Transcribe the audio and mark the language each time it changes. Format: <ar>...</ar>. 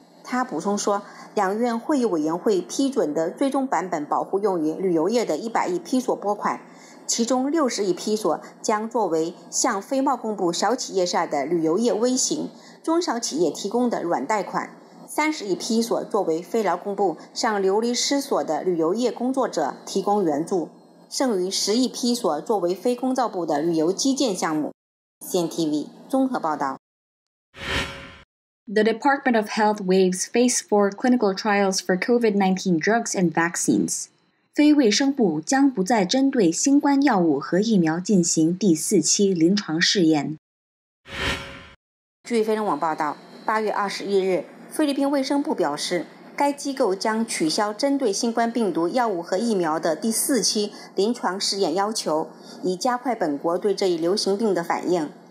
<zh>他补充说，两院会议委员会批准的最终版本保护用于旅游业的100亿批索拨款，其中60亿批索将作为向非贸工部小企业下的旅游业微型中小企业提供的软贷款，30亿批索作为非劳工部向流离失所的旅游业工作者提供援助。剩余十亿批所作为非公造部的旅游基建项目。 CNTV 综合报道。</zh> <en>The Department of Health waives Phase 4 clinical trials for COVID-19 drugs and vaccines.</en> <zh>非卫生部将不再针对新冠药物和疫苗进行第四期临床试验。据菲中网报道，8月21日，菲律宾卫生部表示，该机构将取消针对新冠病毒药物和疫苗的第四期临床试验要求，以加快本国对这一流行病的反应。</zh>